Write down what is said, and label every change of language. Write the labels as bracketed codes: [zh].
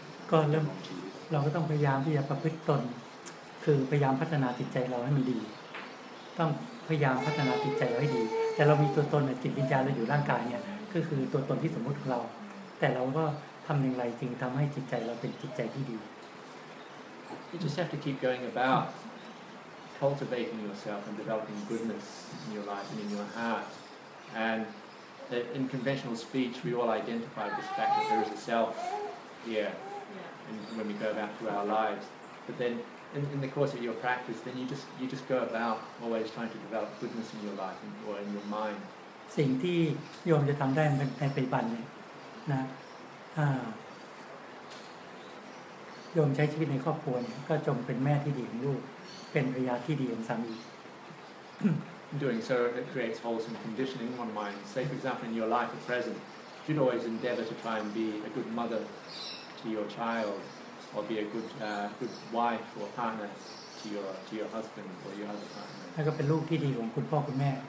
[th] ก็เริ่มเราก็ต้องพยายามที่จะประพฤติตนคือพยายามพัฒนาจิตใจเราให้มันดีต้องพยายามพัฒนาจิตใจเราให้ดีแต่เรามีตัวตนจิตวิญญาณเราอยู่ร่างกายเนี่ยก็คือตัวตนที่สมมุติของเราแต่เราก็ทำอย่างไรจริงทำให้จิตใจเราเป็นจิตใจที่ดี [en] You just have to keep going about cultivating yourself and developing goodness in your life and in your heart and in conventional speech we all identify this fact that there is a self hereWhen we go about through our lives, but then in the course of your practice, then you just go about always trying to develop goodness in your life and, or in your mind. [th] สิ่งที่โยมจะทำได้ในปัจจุบันเนี่ยนะโยมใช้ชีวิตในครอบครัวเนี่ยก็จงเป็นแม่ที่ดีของลูกเป็นภรรยาที่ดีของสามี [en] Doing so it creates wholesome conditioning in one mind. Say for example in your life at present, you should always endeavor to try and be a good mother. To your child, or be a good wife or partner to your husband or your other partner.